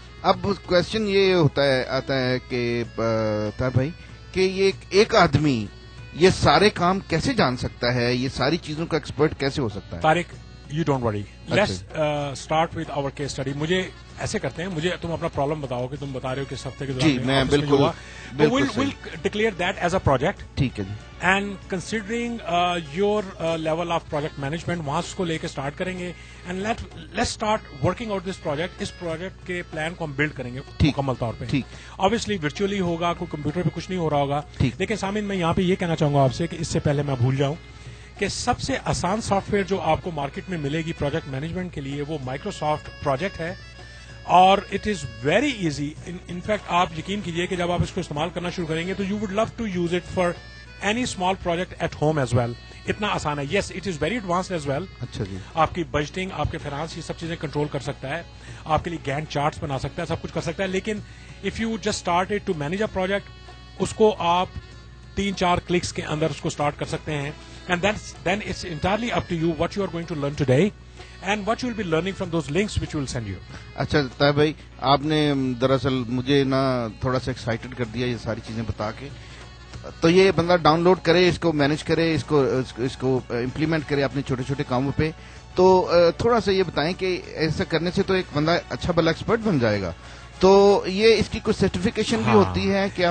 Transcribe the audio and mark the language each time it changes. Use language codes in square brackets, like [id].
[ur] اب کوشچن یہ ہوتا ہے آتا ہے کہ تار بھائی کہ یہ ایک آدمی یہ سارے کام کیسے جان سکتا ہے, یہ ساری چیزوں کا ایکسپرٹ کیسے ہو سکتا ہے؟ [en] Tariq you don't worry, let's start with our case study. [ur] مجھے ایسے کرتے ہیں, مجھے تم اپنا پرابلم بتاؤ کہ تم بتا رہے ہو کہ اس ہفتے کے دوران میں بالکل [en] Will declare that as a project. [ur] ٹھیک ہے, [en] and considering your level of project management [ur] وہاں اس کو لے کے اسٹارٹ کریں گے, [en] And let's start working out this project. [ur] اس project کے پلان کو ہم بلڈ کریں گے مکمل طور پہ, آبویسلی ورچوئلی ہوگا, کوئی کمپیوٹر پہ کچھ نہیں ہو رہا ہوگا. لیکن سامعین میں یہاں پہ یہ کہنا چاہوں گا آپ سے کہ اس سے پہلے میں بھول جاؤں کہ سب سے آسان سافٹ ویئر جو آپ کو مارکیٹ میں ملے گی پروجیکٹ مینجمنٹ کے لیے وہ مائکروسافٹ پروجیکٹ ہے, اور [en] It is very easy. [ur] In fact آپ یقین کیجئے کہ جب آپ اس کو استعمال کرنا شروع کریں گے تو [en] You would love to use it for any small project at home as well. [ur] اتنا آسان ہے, [en] Yes it is very advance as well. [ur] اچھا جی, آپ کی بجٹنگ, آپ کے فائنانس, یہ سب چیزیں کنٹرول کر سکتا ہے, آپ کے لیے گینٹ چارٹس بنا سکتا ہے, سب کچھ کر سکتا ہے. [en] لیکن if you just start to manage a project, [ur] اس کو آپ تین چار کلکس کے اندر اس کو اسٹارٹ کر سکتے ہیں, [en] and then it's entirely up to you what you are going to learn today and what you will be learning from those links which we'll send you. [ur] اچھا تاہ بھائی آپ نے دراصل مجھے نا تھوڑا سا ایکسائٹیڈ کر دیا یہ ساری چیزیں بتا کے. تو یہ بندہ ڈاؤن لوڈ کرے, اس کو مینج کرے, اس کو امپلیمنٹ کرے اپنے چھوٹے چھوٹے کاموں پہ, تو تھوڑا سا یہ بتائیں کہ ایسا کرنے سے تو ایک بندہ اچھا بلا ایکسپرٹ بن جائے گا, تو یہ اس کی کوئی سرٹیفیکیشن بھی ہوتی ہے کیا؟